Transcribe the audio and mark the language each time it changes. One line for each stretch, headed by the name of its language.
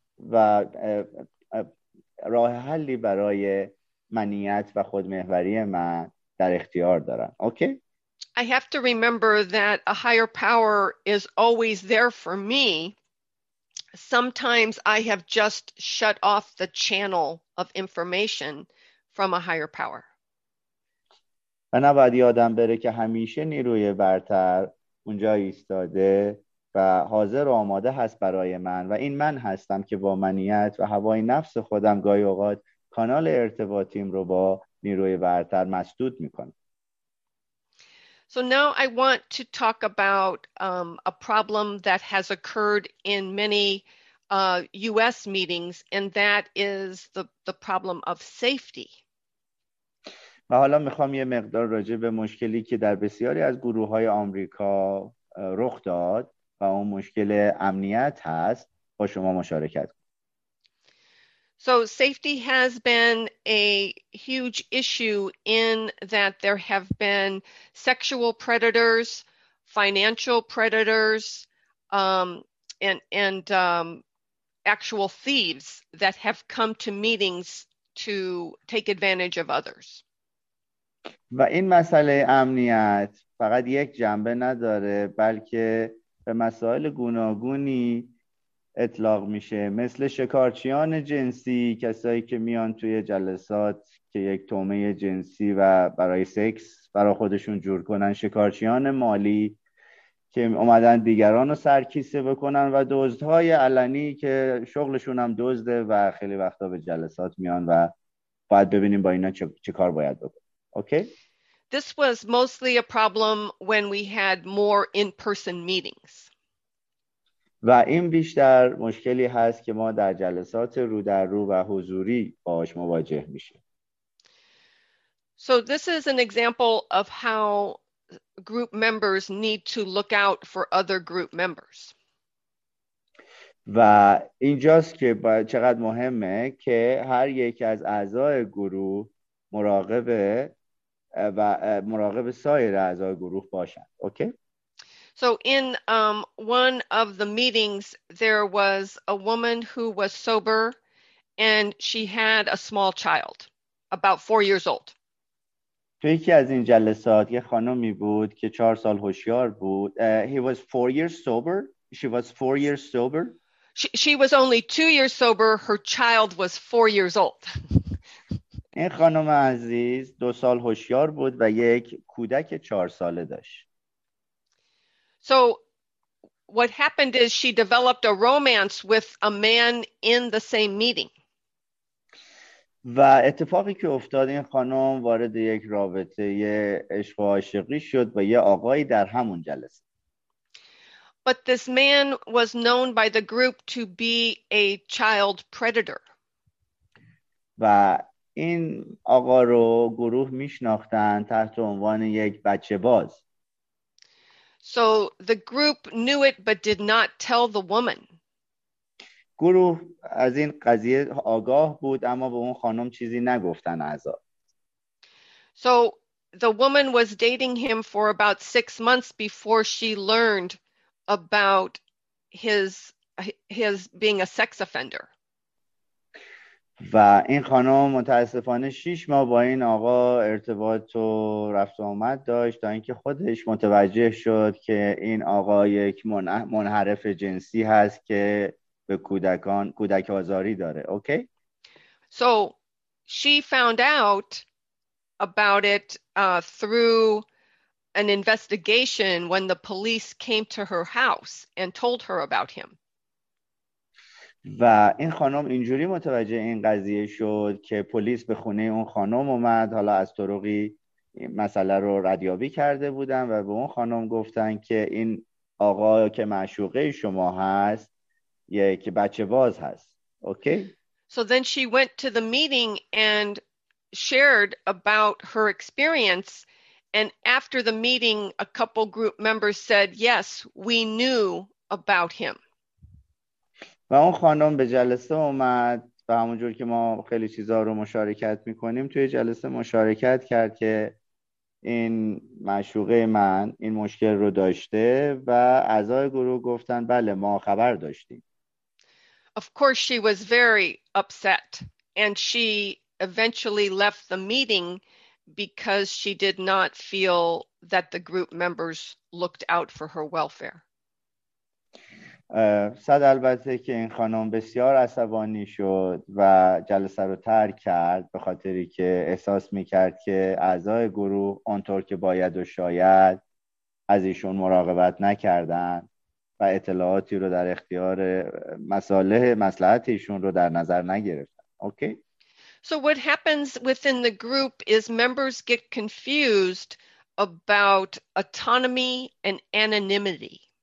Persian: و راه حلی برای منیت و خودمحوری من در اختیار دارن.
English: Okay? I have to remember that a higher power is always there for me. Sometimes I have just shut off the channel of information from a higher power.
Persian: من باید یادم بره که همیشه نیروی برتر اونجا ایستاده و حاضر و آماده هست برای من و این من هستم که با منیت و هوای نفس خودم گاهی اوقات کانال ارتباطیم رو با نیروی برتر مسدود میکنم.
English: So now I want to talk about a problem that has occurred in many US meetings, and that is the problem of safety.
Persian: و حالا میخوام یه مقدار راجع به مشکلی که در بسیاری از گروه های آمریکا رخ داد و اون مشکل امنیت هست با شما مشارکت کنم.
English: So safety has been a huge issue in that there have been sexual predators, financial predators, and actual thieves that have come to meetings to take advantage of others.
Persian: و این مسئله امنیت فقط یک جنبه نداره بلکه به مسائل گوناگونی اطلاق میشه، مثل شکارچیان جنسی، کسایی که میان توی جلسات که یک تومه جنسی و برای سکس برای خودشون جور کنن، شکارچیان مالی که اومدن دیگران رو سرکیسه بکنن، و دزدهای علنی که شغلشون هم دزده و خیلی وقتا به جلسات میان و باید ببینیم با اینا چه کار باید بکنیم.
English: Okay? This was mostly a problem when we had more in-person meetings.
Persian: و این بیشتر مشکلی هست که ما در جلسات رو در رو و حضوری باهاش مواجه میشیم.
English: So this is an example of how group members need to look out for other group members.
Persian: و اینجاست که چقدر مهمه که هر یک از اعضای گروه مراقبه و مراقب سایر اعضای گروه باشند.
English: Okay? So in one of the meetings, there was a woman who was sober and she had a small child, about 4 years old.
Persian: توی یکی از این جلسات یه خانمی بود که 4 سال هوشیار بود.
English: He was 4 years sober. She was 4 years sober. She was only 2 years sober. Her child was 4 years old.
Persian: این خانم عزیز 2 سال هوشیار بود و یک کودک 4 ساله داشت.
English: So what happened is she developed a romance with a man in the same meeting.
Persian: و اتفاقی که افتاد این خانم وارد یک رابطه عشق و عاشقی شد با یه آقایی در همون جلسه.
English: But this man was known by the group to be a child predator.
Persian: و این آقا رو گروه میشناختن تحت عنوان یک بچه باز.
English: So the group knew it but did not tell the woman.
Persian: گروه از این قضیه آگاه بود اما به اون خانم چیزی نگفتن اعضا.
English: So the woman was dating him for about 6 months before she learned about his being a sex offender.
Persian: و این خانم متاسفانه 6 ماه با این آقا ارتباط و رفت و آمد داشت تا اینکه خودش متوجه شد که این آقا یک منحرف جنسی هست که به کودک آزاری داره.
English: Okay? So she found out about it through an investigation when the police came to her house and told her about him.
Persian: و این خانم اینجوری متوجه این قضیه شد که پلیس به خونه اون خانم اومد، حالا از طرقی مسئله رو ردیابی کرده بودن و به اون خانم گفتن که این آقا که معشوقه شما هست یک بچه باز هست.
English: Okay? So then she went to the meeting and shared about her experience, and after the meeting a couple group members said yes, we knew about him.
Persian: و اون خانم به جلسه اومد و همونجور که ما خیلی چیزها رو مشارکت میکنیم توی جلسه مشارکت کرد که این معشوقه من این مشکل رو داشته و اعضای گروه گفتن بله ما خبر داشتیم.
English: Of course she was very upset and she eventually left the meeting because she did not feel that the group members looked out for her welfare.
Persian: صد البته که این خانم بسیار عصبانی شد و جلسه رو ترک کرد به خاطری که احساس میکرد که اعضای گروه اونطور که باید و شاید از ایشون مراقبت نکردن و اطلاعاتی رو در اختیار مصالح مصلحت ایشون رو در نظر نگرفتن.
English: Okay? So what happens within the group is members get confused about autonomy and anonymity.